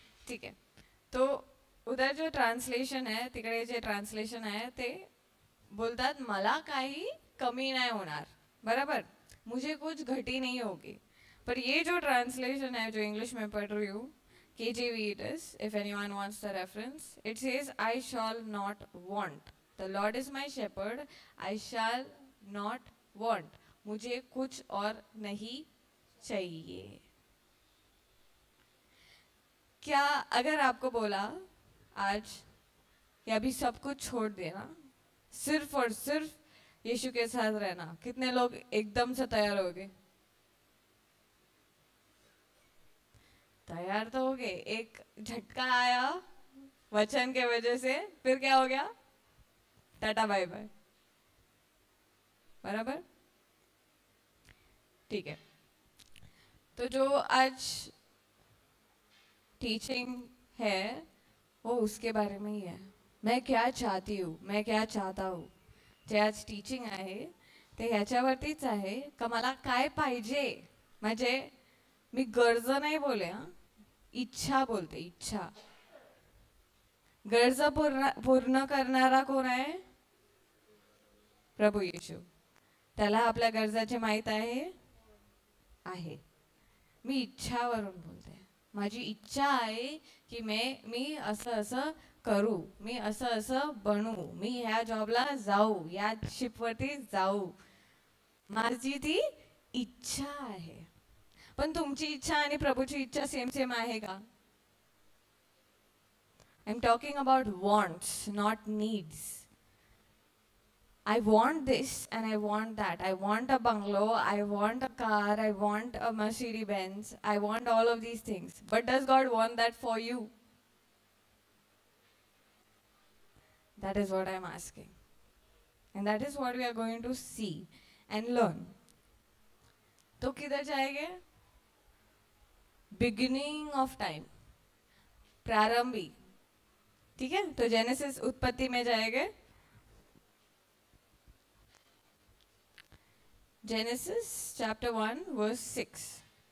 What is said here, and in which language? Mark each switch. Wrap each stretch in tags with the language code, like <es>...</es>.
<hi>ठीक है, तो उधर जो ट्रान्सलेशन है,</hi> <mr>तिकडे जे ट्रान्सलेशन आहे ते बोलतात मला काही कमी नाही होणार, बरोबर,</mr> <hi>मुझे कुछ घटी नाही होगी। पर ये जो ट्रान्सलेशन आहे जो इंग्लिश में पढ़ रही हूँ,</hi> <en>KJV it is, if anyone wants the reference, it says, I shall not want. The Lord is my shepherd, I shall not want.</en> <hi>मुझे कुछ और नहीं चाहिए। क्या अगर आपको बोला आज या अभी सब कुछ छोड़ देना, सिर्फ और सिर्फ यीशु के साथ रहना, कितने लोग एकदम से तैयार हो गए? तैयार तो हो गए, एक झटका आया वचन के वजह से, फिर क्या हो गया, टाटा बाय बाय, बराबर। ठीक है, तो जो आज टीचिंग है वो उसके बारे में ही है। मैं क्या चाहता हूँ</hi> <mr>जे आज टीचिंग आहे ते ह्याच्यावरतीच आहे, का मला काय पाहिजे। म्हणजे मी गरज नाही बोले, हा इच्छा बोलते, इच्छा। गरज पूर्ण करणारा कोण आहे? प्रभू येशू, त्याला आपल्या गरजाचे माहित आहे आहे। मी इच्छावरून बोलते, माझी इच्छा आहे की मी असं असं करू, मी असं असं बनू, मी ह्या जॉबला जाऊ, या शिपवरती जाऊ, माझी ती इच्छा आहे। पण तुमची इच्छा आणि प्रभूची इच्छा सेम आहे का?</mr> <en>I am talking about wants, not needs. I want this and I want that, I want a bungalow, I want a car, I want a Mercedes Benz, I want all of these things, but does God want that for you? That is what I am asking and that is what we are going to see and learn.</en> <hi>तो किधर जाएंगे?</hi> <en>beginning of time,</en> <mr>प्रारंभी।</mr> <hi>ठीक है, तो genesis उत्पत्ति में जाएंगे, जेनेसिस चैप्टर 1:6।</hi>